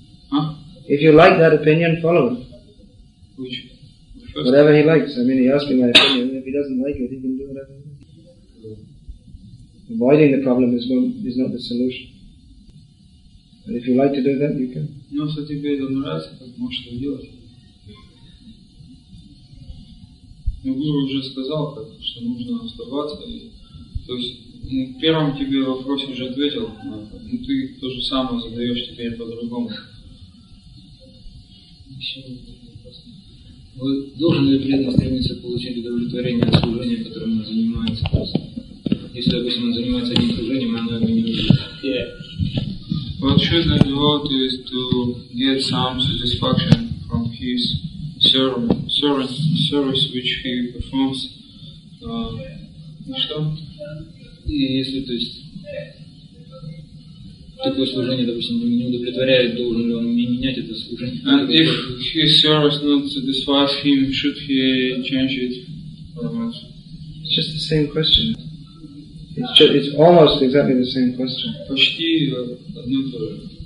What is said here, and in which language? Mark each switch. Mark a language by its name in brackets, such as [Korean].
[English] Huh? If you like that opinion, follow it. Which? Whatever he likes. I mean, he asked me my opinion. If he doesn't like it, he can do whatever he wants. Yeah. Avoiding the problem is not the solution. If you like to do that, you can. [Russian] Ну, если тебе это нравится, так можешь это делать. Но Гуру уже сказал, что нужно оставаться. То есть, первым тебе вопрос уже ответил, но ты то же самое задаешь теперь по-другому. Еще один вопрос. Должен ли преданный стремиться получить удовлетворение от служения, которым он занимается? Если, допустим, он занимается одним служением, оно его не любит. [English] What should the devotee is to get some satisfaction from his service which he performs? [Russian] Что? И если, то есть, такое служение, допустим, не удовлетворяет, должен ли он менять это служение? [English] And if his service not satisfies him, should he change it or not? It's just the same question. It's almost exactly the same question. [Russian] Почти одно и то же.